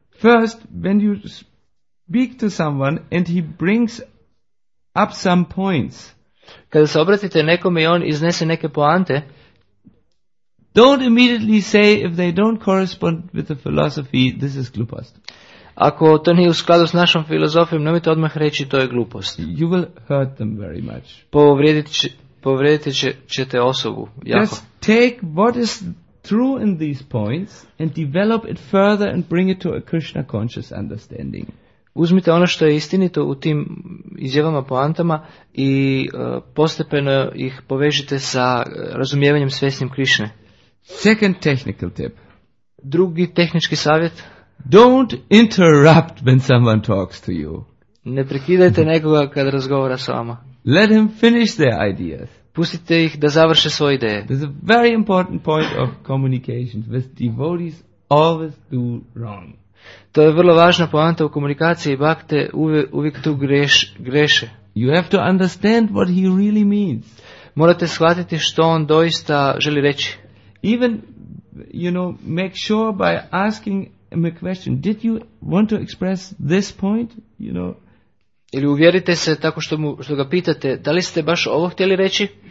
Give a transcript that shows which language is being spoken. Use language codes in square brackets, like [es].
[en] First, when you speak to someone and he brings up some points. [hr] Kada se obratite nekome i on iznese neke poante, [en] don't immediately say if they don't correspond with the philosophy, this is [hr] glupost. Ako to nije u skladu s našom filozofijom, nemojte odmah reći to je glupost. [en] You will hurt them very much. [hr] Povrijedit ćete osobu jako. [en] Just take what is true in these points and develop it further and bring it to a Krishna conscious understanding. [hr] Uzmite ono što je istinito u tim izjavama poantama i postepeno ih povežite sa razumijevanjem svjesnim Krišne. [en] Second technical tip. [hr] Drugi tehnički savjet. [en] Don't interrupt when someone talks to you. [hr] Ne prekidajte nekoga kad razgovara s vama. [en] Let him finish their ideas. [hr] Pustite ih da završe svoje ideje. [en] There's a very important point of communication with devotees always do wrong. [hr] To je vrlo važna poanta u komunikaciji, bhakte uvijek tu greše. [en] You have to understand what he really means. [hr] Morate shvatiti što on doista želi reći. [en] Even, you know, make sure by asking him a question, did you want to express this point, you know? [hr] Ili uvjerite se tako što ga pitate, da li ste baš ovo htjeli reći?